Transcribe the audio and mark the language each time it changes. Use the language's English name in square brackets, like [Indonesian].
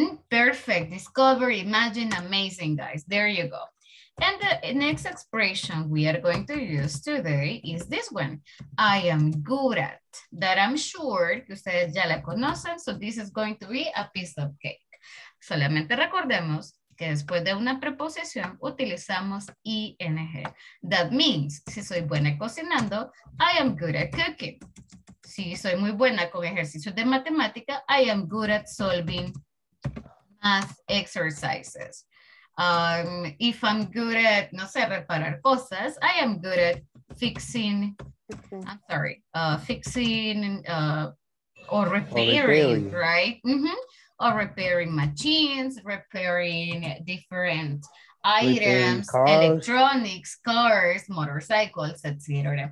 [English] Perfect. Discovery. Imagine. Amazing, guys. There you go. And the next expression we are going to use today is this one. I am good at. That I'm sure [Spanish] que ustedes ya la conocen. [English] So this is going to be a piece of cake. [Spanish] Solamente recordemos que después de una preposición utilizamos ing. [English] That means, [Spanish] si soy buena cocinando, [English] I am good at cooking. [Spanish] Si soy muy buena con ejercicios de matemática, [English] I am good at solving math exercises. If I'm good at, [Spanish] no sé, reparar cosas, [English] I am good at fixing, I'm sorry, fixing or repairing, right? Mm-hmm. Or repairing machines, repairing different items, electronics, cars, motorcycles, etc.